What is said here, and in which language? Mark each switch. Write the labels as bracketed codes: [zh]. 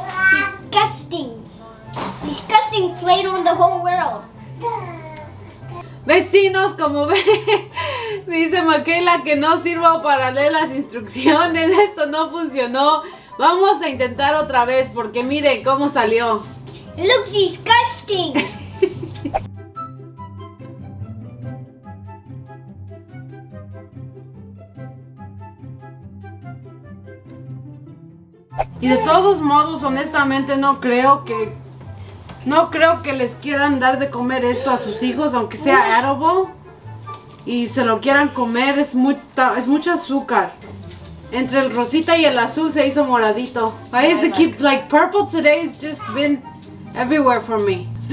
[en] Disgusting. Disgusting Play-Doh in the whole world. [es] Vecinos, como ve, dice Makayla que no sirvo para leer las instrucciones. Esto no funcionó. Vamos a intentar otra vez porque miren cómo salió. [en] It looks disgusting. [es] Y de todos modos, honestamente, no creo que les quieran dar de comer esto a sus hijos, aunque sea arable, y se lo quieran comer, es mucho azúcar. Entre el rosita y el azul se hizo moradito. [en] Why is it keep like purple today? It's just been everywhere for me.